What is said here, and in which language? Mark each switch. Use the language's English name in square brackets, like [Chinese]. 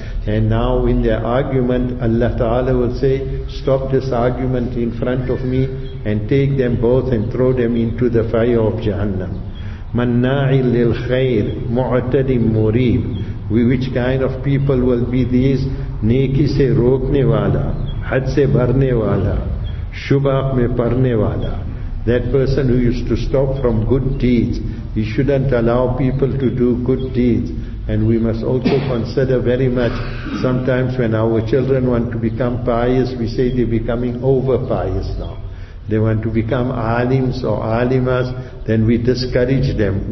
[English] And now in their argument, Allah Ta'ala will say, stop this argument in front of me and take them both and throw them into the fire of Jahannam. [Arabic] مَنَّاعِ لِلْخَيْرِ مُعْتَدِ مُرِيبِ. [English] Which kind of people will be these? [Urdu] نیکی سے روکنے والا, حد سے بھرنے والا, شباق میں پرنے والا. [English] That person who used to stop from good deeds, he shouldn't allow people to do good deeds. And we must also consider very much, sometimes when our children want to become pious, we say they're becoming over pious now. They want to become alims or alimas, then we discourage them.